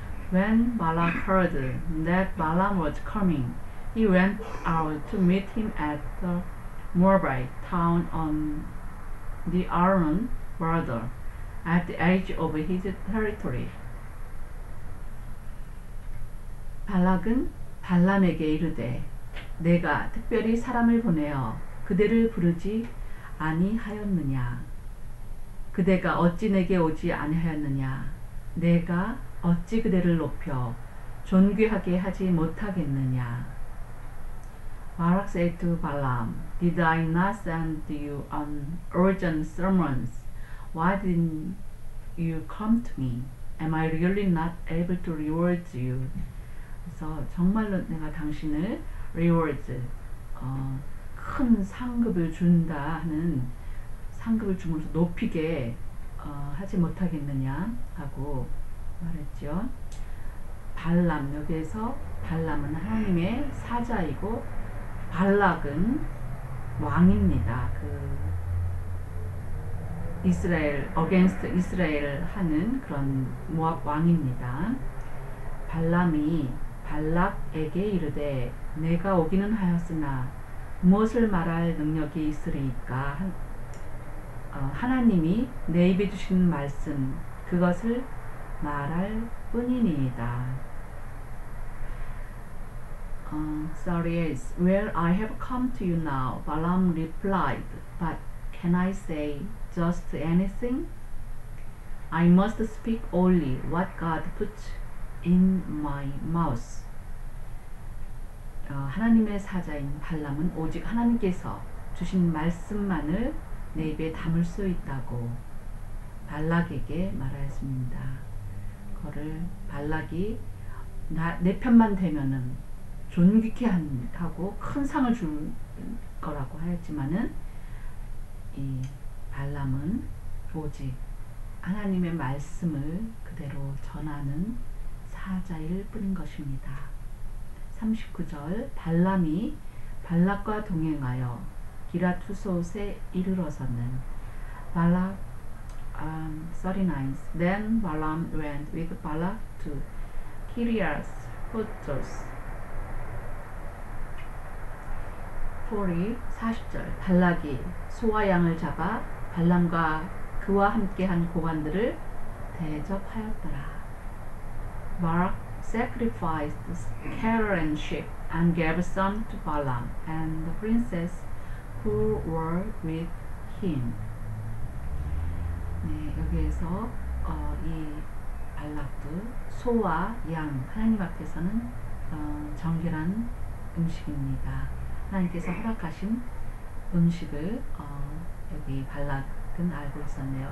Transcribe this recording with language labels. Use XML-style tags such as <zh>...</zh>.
<en>When Balaam heard that Balaam was coming, he went out to meet him at the Moabite town on the Arnon border, at the edge of his territory.</en> <ko>발락은 발람에게 이르되, 내가 특별히 사람을 보내어 그대를 부르지 아니하였느냐? 그대가 어찌 내게 오지 아니하였느냐? 내가 어찌 그대를 높여 존귀하게 하지 못하겠느냐?</ko> <en>Balak said to Balaam, Did I not send you on urgent summons? Why didn't you come to me? Am I really not able to reward you?</en> <ko>그래서 정말로 내가 당신을 reward, 큰 상급을 준다 하는 상급을 주면서 높이게 하지 못하겠느냐 하고 말했죠. 발람, 여기에서 발람은 하나님의 사자이고 발락은 왕입니다. 그 이스라엘 against 이스라엘 하는 그런 모압 왕입니다. 발람이 발락에게 이르되, 내가 오기는 하였으나 무엇을 말할 능력이 있으리까? 하나님이 내 입에 주신 말씀 그것을 말할 뿐이니이다.</ko> <en>Sorry, yes. Well, I have come to you now, Balaam replied, but can I say just anything? I must speak only what God puts in my mouth.</en> <ko>하나님의 사자인 발람은 오직 하나님께서 주신 말씀만을 내 입에 담을 수 있다고 발락에게 말하였습니다. 그를 발락이 내 편만 되면은 존귀케 하고 큰 상을 줄 거라고 하였지만은, 이 발람은 오직 하나님의 말씀을 그대로 전하는 사자일 뿐인 것입니다. 39절 발람이 발락과 동행하여 기라투솥에 이르러서는 발락</ko> <en>39 Then Balaam went with Balak to Kiriath-hotzos.</en> <ko>40절 발락이 소와 양을 잡아 발람과 그와 함께한 고관들을 대접하였더라.</ko> <en>Balak sacrificed cattle and sheep and gave some to Balaam and the princes who were with him.</en> <ko>네, 여기에서 이 발락도 소와 양, 하나님 앞에서는 정결한 음식입니다. 하나님께서 허락하신 음식을 여기 발락은 알고 있었네요.</ko>